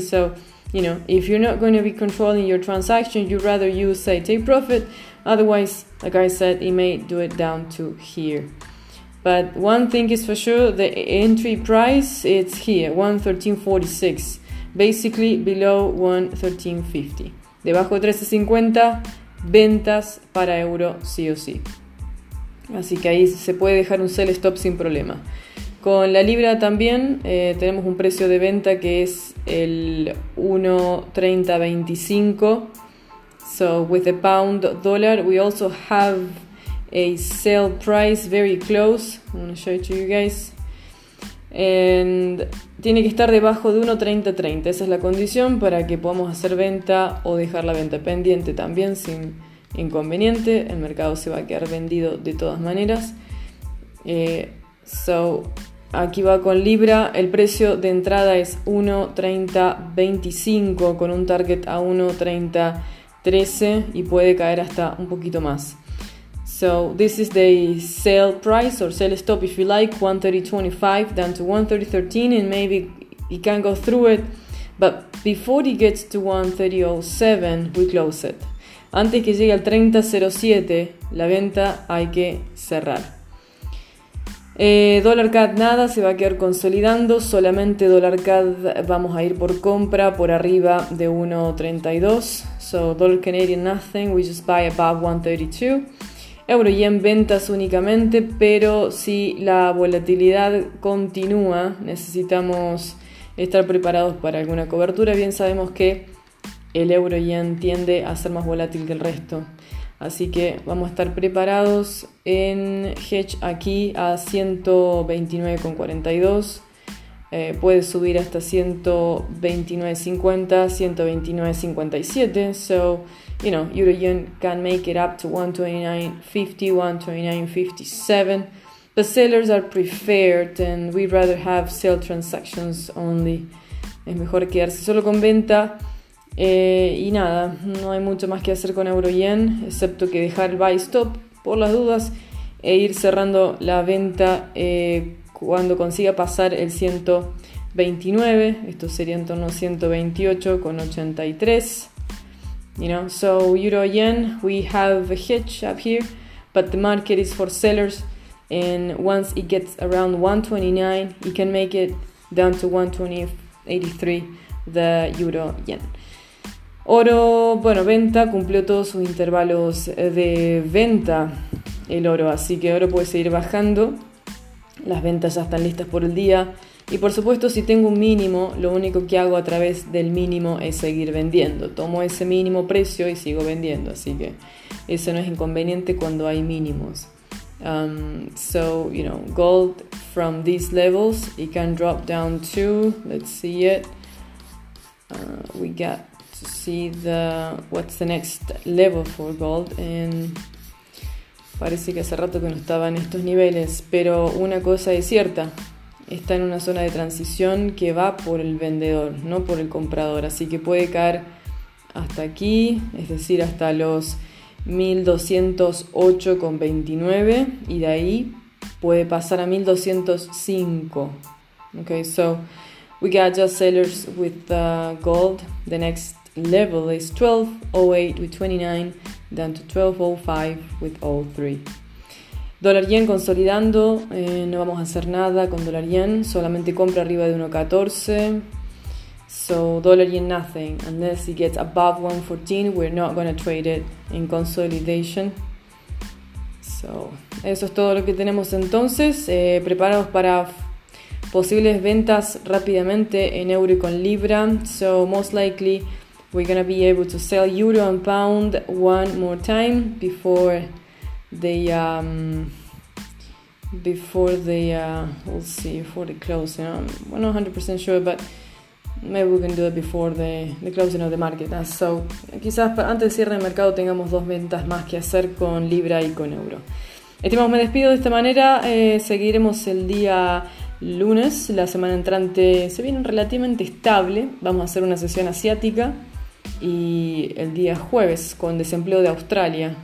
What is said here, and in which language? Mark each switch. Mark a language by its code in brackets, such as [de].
[en] So, you know, if you're not going to be controlling your transaction, you'd rather use a take profit. Otherwise, like I said, it may do it down to here. But one thing is for sure, the entry price, it's here, 1.1346. Basically below 1.1350. [es] Debajo de 13.50, ventas para euro sí o sí. Así que ahí se puede dejar un sell stop sin problema. Con la libra también tenemos un precio de venta que es el 1.3025. [en] So with the pound dollar, we also have a sell price very close. I'm going to show it to you guys. [es] And tiene que estar debajo de 1.3030. Esa es la condición para que podamos hacer venta o dejar la venta pendiente también sin inconveniente. El mercado se va a quedar vendido de todas maneras. So aquí va con Libra. El precio de entrada es 1.3025 con un target a 1.3013 y puede caer hasta un poquito más. [en] So this is the sell price or sell stop if you like, 1.3025 down to 1.3013, and maybe it can go through it, but before it gets to 1.3007, we close it. [es] Antes que llegue al 30.07, la venta hay que cerrar. Dólar CAD nada, se va a quedar consolidando, solamente dólar CAD vamos a ir por compra por arriba de 1.32. [en] So dollar Canadian nothing, we just buy above 1.32. [es] Euro y en ventas únicamente, pero si la volatilidad continúa, necesitamos estar preparados para alguna cobertura. Bien sabemos que el euro yen tiende a ser más volátil que el resto, así que vamos a estar preparados en hedge aquí a 129.42. Puede subir hasta 129.50, 129.57. [en] So, you know, Euro Yen can make it up to 129.50, 129.57. But sellers are preferred and we'd rather have sell transactions only. [es] Es mejor quedarse solo con venta. Y nada, no hay mucho más que hacer con Euro Yen, excepto que dejar el buy stop por las dudas e ir cerrando la venta cuando consiga pasar el 129, esto sería en torno a 128.83. [en] You know, so euro yen, we have a hedge up here, but the market is for sellers, and once it gets around 129, it can make it down to 120.83, the euro yen. [es] Oro, bueno, venta, cumplió todos sus intervalos de venta el oro, así que oro puede seguir bajando. Las ventas ya están listas por el día. Y por supuesto, si tengo un mínimo, lo único que hago a través del mínimo es seguir vendiendo. Tomo ese mínimo precio y sigo vendiendo. Así que eso no es inconveniente cuando hay mínimos. [en] So, you know, gold from these levels, it can drop down to, let's see it. We got to see what's the next level for gold. [es] And parece que hace rato que no estaba en estos niveles, pero una cosa es cierta, está en una zona de transición que va por el vendedor, no por el comprador, así que puede caer hasta aquí, es decir, hasta los 1.208.29 y de ahí puede pasar a 1.205. [en] Okay, so we got just sellers with the gold. The next level is 1208 with 29 down to 1205 with all three. [es] Dólar yen consolidando, no vamos a hacer nada con dólar yen, solamente compra arriba de 1.14. [en] So dollar yen nothing. Unless it gets above 114, we're not gonna trade it in consolidation. [es] So eso es todo lo que tenemos entonces. Preparados para posibles ventas rápidamente en euro y con libra. [en] So most likely we're gonna be able to sell euro and pound one more time before they we'll see before the close. You know, I'm not 100% sure, but maybe we can do it before the closing of the market. [es] So, quizás antes del cierre del mercado tengamos dos ventas más que hacer con libra y con euro. Estimados, me despido de esta manera. Seguiremos el día lunes. La semana entrante se viene relativamente estable. Vamos a hacer una sesión asiática. Y el día jueves con desempleo de Australia.